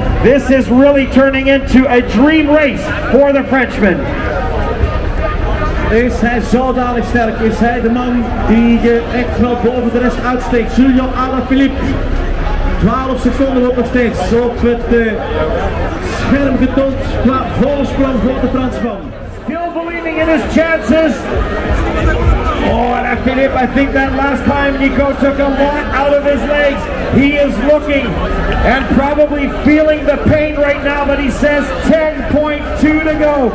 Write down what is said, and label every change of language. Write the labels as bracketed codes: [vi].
[en] This is really turning into a dream race for the Frenchman. [nl] Is hij zodanig sterk? Is hij de man die je echt wel boven de rest uitsteekt? Julian Alaphilippe. 12 seconden op nog steeds op het scherm getoond qua voorsprong voor de Fransman. [en] Still believing in his chances. Oh, Alaphilippe, I think that last time Nico took a lot out of his legs. He is looking and probably feeling the pain right now, but he says 10.2 to go.